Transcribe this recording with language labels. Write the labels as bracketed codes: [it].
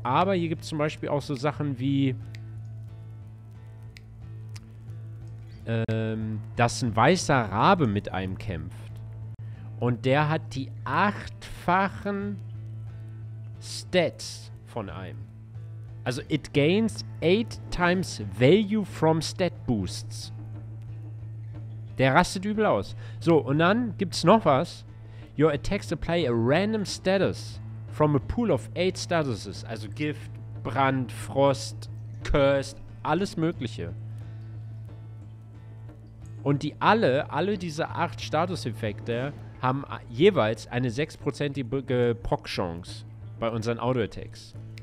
[de] Aber hier gibt es zum Beispiel auch so Sachen wie, dass ein weißer Rabe mit einem kämpft. Und der hat die 8-fachen Stats von einem. [en] Also, it gains 8 times value from stat boosts. [de] Der rastet übel aus. So, und dann gibt's noch was. [en] Your attacks apply a random status from a pool of 8 statuses. [de] Also Gift, Brand, Frost, Cursed, alles mögliche. Und die alle diese 8 Status-Effekte haben jeweils eine 6%ige Proc-Chance bei unseren Auto-Attacks.